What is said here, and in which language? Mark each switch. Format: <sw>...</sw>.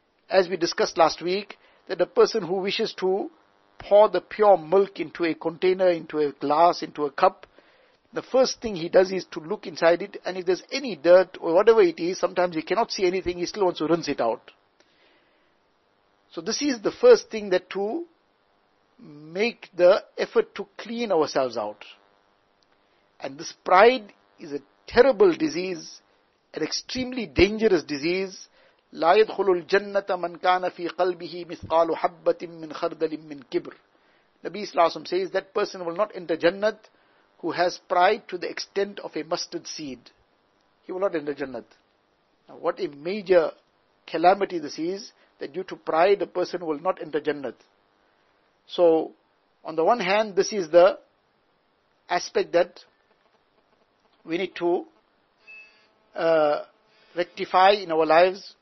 <en>As we discussed last week, that a person who wishes to pour the pure milk into a container, into a glass, into a cup, the first thing he does is to look inside it, and if there's any dirt or whatever it is, sometimes he cannot see anything, he still wants to rinse it out. So this is the first thing, that to make the effort to clean ourselves out. And this pride is a terrible disease, an extremely dangerous disease.</en> <ar>لا يدخل الجنة من كان في قلبه مثقال حبة من خردل من كبر.</ar> <en>Nabi Sallallahu Alaihi Wasallam says that person will not enter Jannat who has pride to the extent of a mustard seed. He will not enter Jannat. Now what a major calamity this is, that due to pride a person will not enter Jannat. So on the one hand, this is the aspect that we need to rectify in our lives.</en>